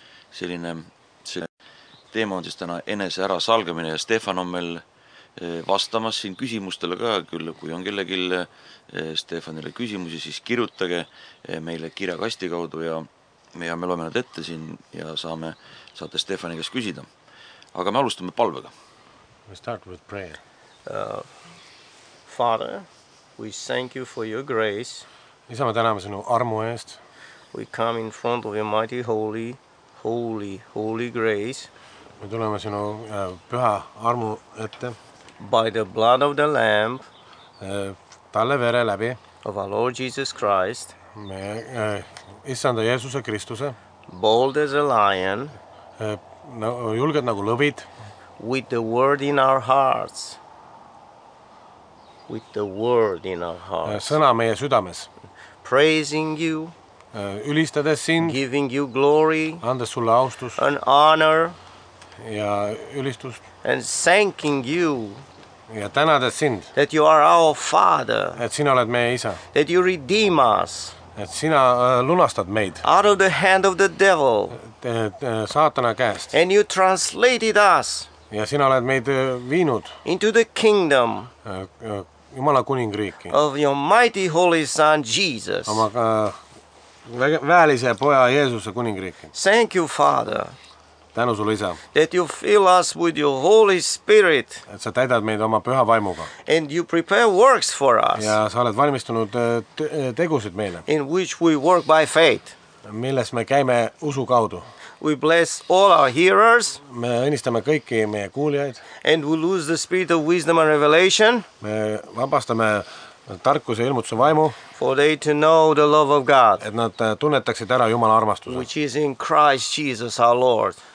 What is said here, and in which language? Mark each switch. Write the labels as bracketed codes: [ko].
[et] Selline teema on siis täna enese ära salgamine ja Stefan on meil vastamas siin küsimustele ka, küll kui on kellegi Stefanile küsimusi, siis kirjutage meile kirjakasti kaudu ja me jääme loeme nad ette siin ja saate Stefani käest küsida. Aga me alustame palvega. [en] We start with prayer. Father, we thank you for your grace. [et] Isa, me täname sinu armu eest. [en] We come in front of your mighty holy grace. [et] Me tuleme sinu püha armu ette. [en] By the blood of the lamb. [et] Talle vere läbi. [en] Of our Lord Jesus Christ. [et] Me Issanda Jeesuse Kristuse. [en] Bold as a lion. [et] Julged nagu lõvid. [en] With the word in our hearts. With the word in our hearts. [et] Sõna meie südames. [en] Praising you. [et] Ülistades sind. [en] Giving you glory. [et] Andes sulle austus. [en] An honor. [et] Ja ülistus. [en] And thanking you. [et] Ja tänades sind. [en] That you are our father. [et] Et sina oled meie isa. [en] That you redeem us. [et] Et sina lunastad meid. [en] Out of the hand of the devil. [et] Saatana käest. [en] And you translated us. [et] Ja sina oled meid viinud. [en] Into the kingdom. [et] Jumala kuningriiki. [en] Of your mighty holy son Jesus. [et] Oma väelise poja Jeesuse kuningriiki. [en] Thank you, Father. [et] Tänu sulle, isa. [en] That you fill us with your holy spirit. [et] Et sa täidad meid oma püha vaimuga. [en] And you prepare works for us. [et] Ja sa oled valmistunud tegusid meile. [en] In which we work by faith. [et] Milles me käime usu kaudu. [en] We bless all our hearers. [et] Me õnnistame kõiki meie kuulijaid. [en] And we lose the spirit of wisdom and revelation. [et] Me vabastame tarkuse ja ilmutuse vaimu. [en] For they to know the love of God. [et] Et nad tunnetaksid ära Jumala armastuse. [en] Which is in Christ Jesus our Lord.